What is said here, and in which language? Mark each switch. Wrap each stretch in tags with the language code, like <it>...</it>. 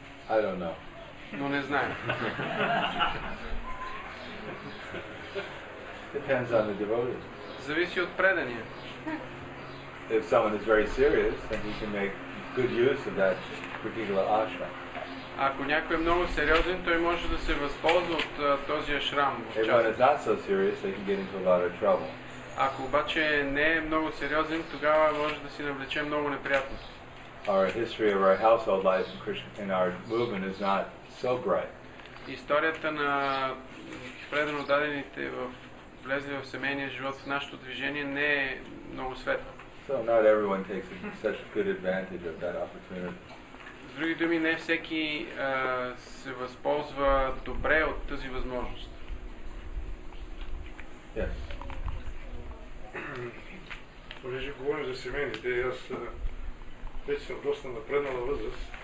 <en>I don't know.</en> <bg>Но не знаем.</bg> <en>Depends on the devotee.</en> <bg>Зависи от предания.</bg> <en>If someone is very serious, then he can make good use of that particular ashram.</en> <bg>Ако някой е много сериозен, той може да се възползва от този ашрам.</bg> <en>If one is not so serious, they can get into a lot of trouble.</en> <bg>Ако обаче не е много сериозен, тогава може да си навлече много неприятност.</bg> <en>Our history of our household life in our movement is not so bright.</en> <bg>Историята на предано дадените влезли в семейния живот в нашето движение не е много светла.</bg> <en>So not everyone takes such good advantage of that opportunity.</en> <bg>С други думи, не всеки се възползва добре от тази възможност.</bg> <en>Yes.</en> <bg>Понеже говорим за семейните, аз вече съм доста напреднала възраст.</bg>